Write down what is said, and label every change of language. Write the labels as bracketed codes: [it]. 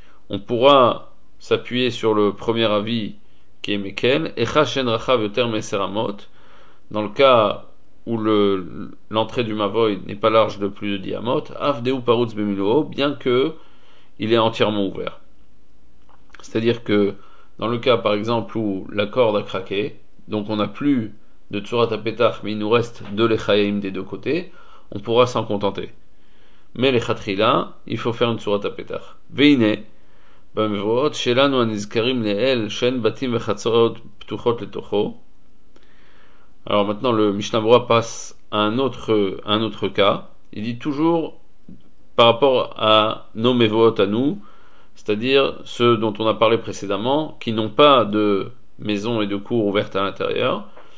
[fr] on pourra s'appuyer sur le premier avis qui est [he] Mekel, Echashen Rachav Yoter Meseramot, [fr] dans le cas où l'entrée du Mavoy n'est pas large de plus de 10 amot, [he] Avdeu Parutz Bemiluo, [fr] bien que il est entièrement ouvert. C'est-à-dire que dans le cas par exemple où la corde a craqué, donc on n'a plus de Tzurat HaPetach, mais il nous reste de l'Echaïm des deux côtés, on pourra s'en contenter. Mais l'Echatrila, il faut faire une Tzurat HaPetach. [he] Veine, במבואות שלנו הנזכרים לאל שאין בתים וחצרות פתוחות לתוכו. [fr] Alors maintenant le Mishnah Berurah passe à un autre cas. Il dit toujours par rapport à nos mevohot à nous, c'est-à-dire ceux dont on a parlé précédemment, qui n'ont pas de maison et de cour ouverte à l'intérieur.